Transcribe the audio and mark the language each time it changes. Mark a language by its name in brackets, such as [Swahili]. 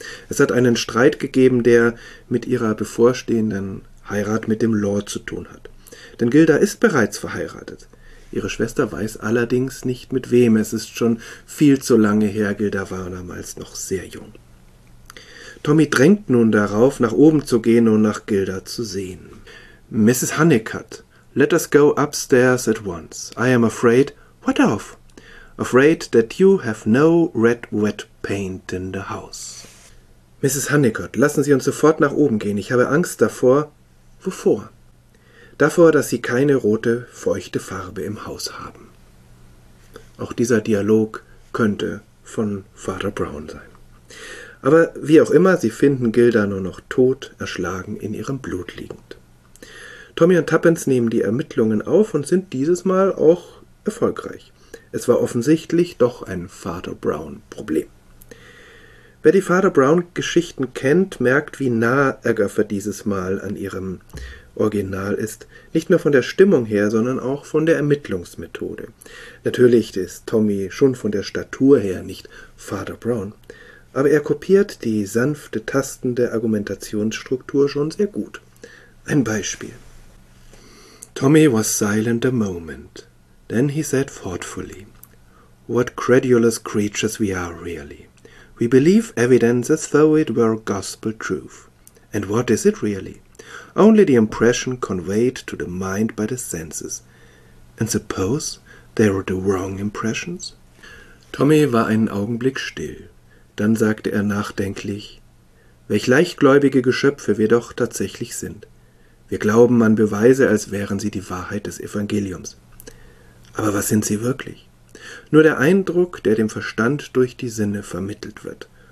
[German] Es hat einen Streit gegeben, der mit ihrer bevorstehenden Heirat mit dem Lord zu tun hat. Denn Gilda ist bereits verheiratet. Ihre Schwester weiß allerdings nicht, mit wem. Es ist schon viel zu lange her. Gilda war damals noch sehr jung. Tommy drängt nun darauf, nach oben zu gehen und nach Gilda zu sehen. [English] Mrs. Honeycutt, let us go upstairs at once. I am afraid. What of? Afraid that you have no red wet paint in the house. Mrs. [German] Honeycutt, lassen Sie uns sofort nach oben gehen. Ich habe Angst davor. Wovor? Davor, dass Sie keine rote, feuchte Farbe im Haus haben. Auch dieser Dialog könnte von Father Brown sein. Aber wie auch immer, Sie finden Gilda nur noch tot, erschlagen, in ihrem Blut liegend. Tommy und Tuppence nehmen die Ermittlungen auf und sind dieses Mal auch erfolgreich. Es war offensichtlich doch ein Father Brown-Problem. Wer die Father Brown-Geschichten kennt, merkt, wie nah Agatha dieses Mal an ihrem Original ist. Nicht nur von der Stimmung her, sondern auch von der Ermittlungsmethode. Natürlich ist Tommy schon von der Statur her nicht Father Brown, aber er kopiert die sanfte, tastende Argumentationsstruktur schon sehr gut. Ein Beispiel. [English] Tommy was silent a moment. Then he said thoughtfully, "What credulous creatures we are, really. We believe evidence as though it were gospel truth. And what is it really? Only the impression conveyed to the mind by the senses. And suppose they were the wrong impressions?" [German] Tommy war einen Augenblick still. Dann sagte er nachdenklich, "Welch leichtgläubige Geschöpfe wir doch tatsächlich sind. Wir glauben an Beweise, als wären sie die Wahrheit des Evangeliums. Aber was sind sie wirklich? Nur der Eindruck, der dem Verstand durch die Sinne vermittelt wird.